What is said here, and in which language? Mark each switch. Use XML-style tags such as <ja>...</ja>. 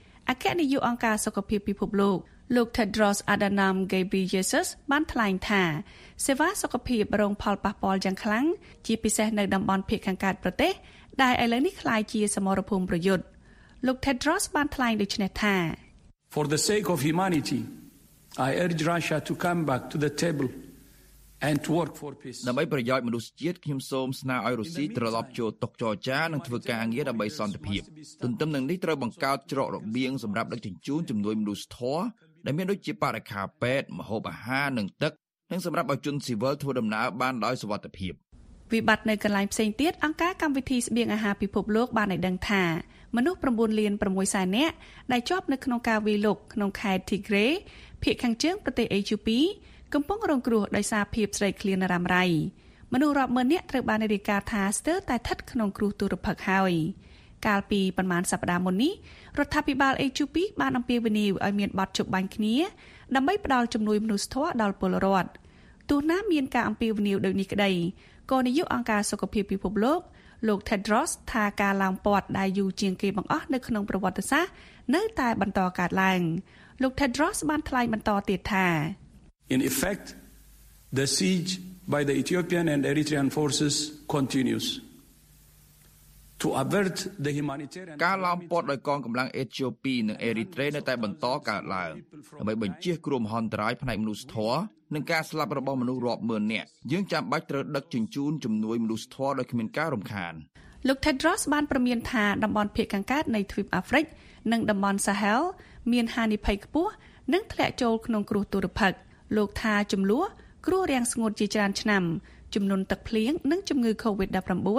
<km>អគ្គនាយកអង្គការសុខភាពពិភពលោកលោក Tedros Adhanom Ghebreyesus បានថ្លែងថាសេវាសុខភាពរងផលប៉ះពាល់យ៉ាងខ្លាំងជាពិសេសនៅតំបន់ភាគខាងកើតប្រទេសដែលឥឡូវនេះក្លាយជាសមរភូមិប្រយុទ្ធលោក Tedros បានថ្លែងដូច្នេះថា</km> <en>For the sake of humanity I urge Russia to come back to the table. And to work for peace.</en> <km>ដើម្បីប្រយោជន៍មនុស្សជាតិខ្ញុំសូមស្នើឲ្យរុស្ស៊ីត្រឡប់ចូលតុចរចានិងធ្វើការងារដើម្បីសន្តិភាពទន្ទឹមនឹងនេះត្រូវបង្កើតច្រករបៀងសម្រាប់ដឹកជញ្ជូនជំនួយមនុស្សធម៌ដែលមានដូចជាបរិក្ខារពេទ្យម្ហូបអាហារនិងទឹកនិងសម្រាប់ឲ្យជនស៊ីវិលធ្វើដំណើរបានដោយសុវត្ថិភាព វិបត្តិនៅកន្លែងផ្សេងទៀតអង្គការកម្មវិធីស្បៀងអាហារពិភពលោកបានឲ្យដឹងថាមនុស្ស9លាន6សែននាក់ដែលជាប់នៅក្នុងការវាយលុកក្នុងខេត្តទីក្រេភាគខាងជើងប្រទេសអេត្យូពីកំពុងរងគ្រោះដោយសារភាពស្រីឃ្លានរ៉ាំរ៉ៃមនុស្សរាប់ម៉ឺននាក់ត្រូវបានរាយការណ៍ថាស្ទើរតែស្ថិតក្នុងគ្រោះទុរភិក្សហើយ កាលពីប្រមាណសប្តាហ៍មុននេះរដ្ឋាភិបាលអេជូពីបានអំពាវនាវឲ្យមានបទជប់បាញ់គ្នាដើម្បីផ្តល់ជំនួយមនុស្សធម៌ដល់ពលរដ្ឋទោះណាមានការអំពាវនាវដូចនេះក្តីក៏នាយកអង្គការសុខភាពពិភពលោកលោក Tedros ថាការឡោមព័ទ្ធដែលយូរជាងគេបង្អស់នៅក្នុងប្រវត្តិសាស្ត្រនៅតែបន្តកើតឡើងលោក Tedros បានថ្លែងបន្តទៀតថា</km> <en>In effect, the siege by the Ethiopian and Eritrean forces continues. To avert the humanitarian...</en> <km>ការឡោមព័ទ្ធដោយកងកម្លាំងអេត្យូពីនិងអេរីត្រេនៅតែបន្តកើតឡើងដើម្បីបញ្ជៀសគ្រោះមហន្តរាយផ្នែកមនុស្សធម៌និងការស្លាប់របស់មនុស្សរាប់ម៉ឺននាក់យើងចាំបាច់ត្រូវដឹកជញ្ជូនជំនួយមនុស្សធម៌ដោយគ្មានការរំខាន លោក Tedros បានព្រមានថាតំបន់ភាគខាងកើតនៃទ្វីបអាហ្វ្រិកនិងតំបន់ Sahel មានហានិភ័យខ្ពស់និងធ្លាក់ចូលក្នុងគ្រោះទុរភិក្សលោកថាចំនួនគ្រោះរាំងស្ងួតជាច្រើនឆ្នាំចំនួនទឹកភ្លៀងនិងជំងឺ COVID-19</km>